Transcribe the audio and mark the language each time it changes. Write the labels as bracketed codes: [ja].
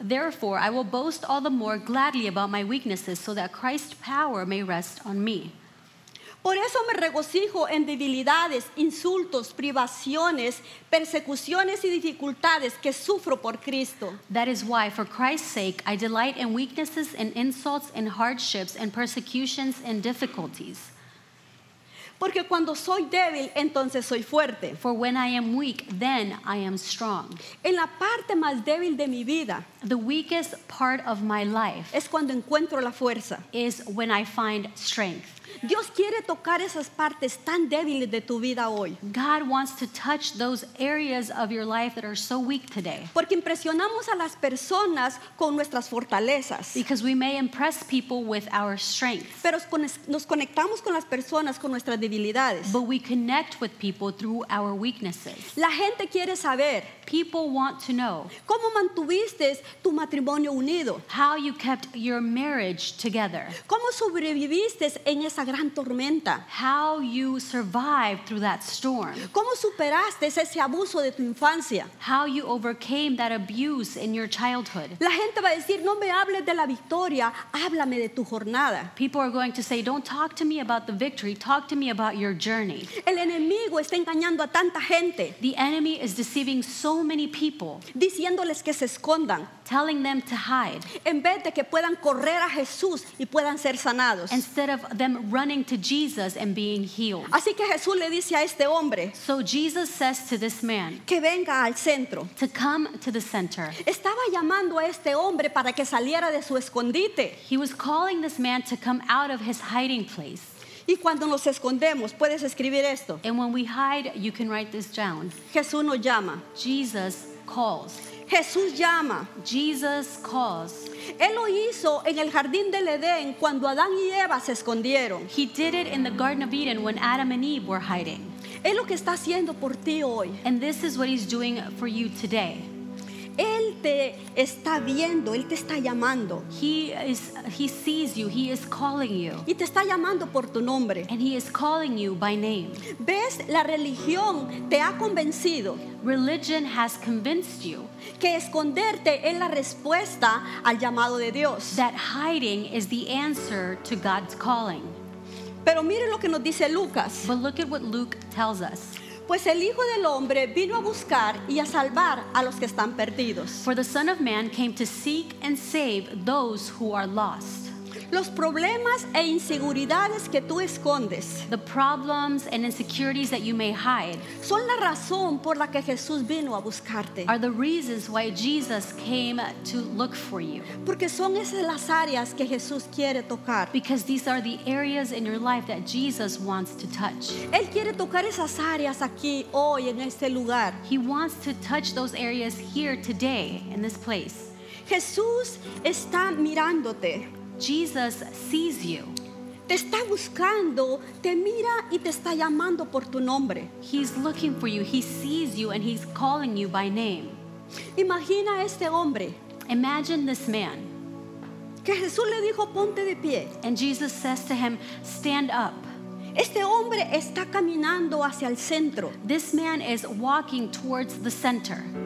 [en] Therefore, I will boast all the more gladly about my weaknesses so that Christ's power may rest on me. [es] Por eso me regocijo en debilidades, insultos, privaciones, persecuciones y dificultades que sufro por Cristo. [en] That is why, for Christ's sake, I delight in weaknesses and insults and hardships and persecutions and difficulties. [es] Porque cuando soy débil, entonces soy fuerte. [en] For when I am weak, then I am strong. [es] En la parte más débil de mi vida, [en] the weakest part of my life, [es] es cuando encuentro la fuerza. [en] Is when I find strength. [es] Dios quiere tocar esas partes tan débiles de tu vida hoy. [en] God wants to touch those areas of your life that are so weak today. [es] Porque impresionamos a las personas con nuestras fortalezas. [en] Because we may impress people with our strength. [es] Pero nos conectamos con las personas con nuestras debilidades. [en] But we connect with people through our weaknesses. [es] La gente quiere saber. [en] People want to know. [es] ¿Cómo mantuviste tu matrimonio unido? [en] How you kept your marriage together. [es] ¿Cómo sobreviviste en esa gran tormenta? [en] How you survived through that storm. [es] ¿Cómo superaste ese abuso de tu infancia? [en] How you overcame that abuse in your childhood. [es] La gente va a decir, no me hables de la victoria, háblame de tu jornada. [en] People are going to say, don't talk to me about the victory, talk to me about your journey. [es] El enemigo está engañando a tanta gente. [en] The enemy is deceiving so many people. [es] Diciéndoles que se escondan. [en] Telling them to hide. [es] En vez de que puedan correr a Jesús y puedan ser sanados. [en] Instead of them running to Jesus and being healed. [es] Así que Jesús le dice a este hombre. [en] So Jesus says to this man. [es] Que venga al centro. [en] To come to the center. [es] Estaba llamando a este hombre para que saliera de su escondite. [en] He was calling this man to come out of his hiding place. [es] Y cuando nos escondemos, puedes escribir esto. [en] And when we hide, you can write this down. [es] Jesús nos llama. [en] Jesus calls. [es] Jesús llama. [en] Jesus calls. [es] Él lo hizo en el jardín del Edén cuando Adán y Eva se escondieron. [en] He did it in the Garden of Eden when Adam and Eve were hiding. [es] Es lo que está haciendo por ti hoy. [en] And this is what he's doing for you today. [es] Él te está viendo, él te está llamando. [en] He sees you, he is calling you. [es] Y te está llamando por tu nombre. [en] And he is calling you by name. [es] ¿Ves? La religión te ha convencido. [en] Religion has convinced you. [es] Que esconderte es la respuesta al llamado de Dios. [en] That hiding is the answer to God's calling. [es] Pero mire lo que nos dice Lucas. [en] But look at what Luke tells us. [es] Pues el Hijo del Hombre vino a buscar y a salvar a los que están perdidos. [en] For the Son of Man came to seek and save those who are lost. [es] Los problemas e inseguridades que tú escondes. [en] The problems and insecurities that you may hide. [es] Son la razón por la que Jesús vino a buscarte. [en] Are the reasons why Jesus came to look for you. [es] Porque son esas las áreas que Jesús quiere tocar. [en] Because these are the areas in your life that Jesus wants to touch. [es] Él quiere tocar esas áreas aquí hoy en este lugar. [en] He wants to touch those areas here today in this place. [es] Jesús está mirándote. [en] Jesus sees you. [es] Te está buscando, te mira y te está llamando por tu nombre. [en] He's looking for you. He sees you and he's calling you by name. [es] Imagina este hombre. [en] Imagine this man. [es] Que Jesús le dijo, ponte de pie. [en] And Jesus says to him, stand up. [es] Este hombre está caminando hacia el centro. [en] This man is walking towards the center.